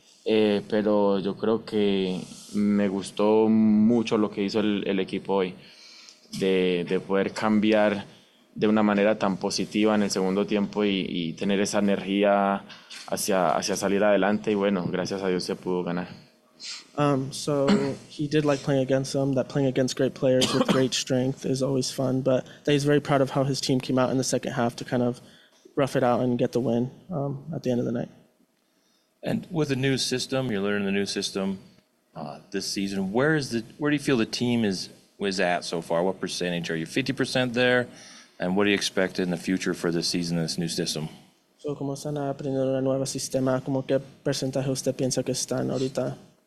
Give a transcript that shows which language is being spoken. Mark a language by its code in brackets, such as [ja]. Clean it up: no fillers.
[es] Pero yo creo que me gustó mucho lo que hizo el equipo hoy. De poder cambiar de una manera tan positiva en el segundo tiempo y tener esa energía hacia salir adelante. Y bueno, gracias a Dios se pudo ganar. [en] So he did like playing against them, that playing against great players with great strength is always fun, but that he's very proud of how his team came out in the second half to kind of rough it out and get the win at the end of the night. And with the new system, you're learning the new system this season. Where do you feel the team is at so far? What percentage are you? 50% there? And what do you expect in the future for this season in this new system? [es] So, ¿cómo están aprendiendo el nuevo sistema? ¿Cómo qué porcentaje usted piensa que están ahorita?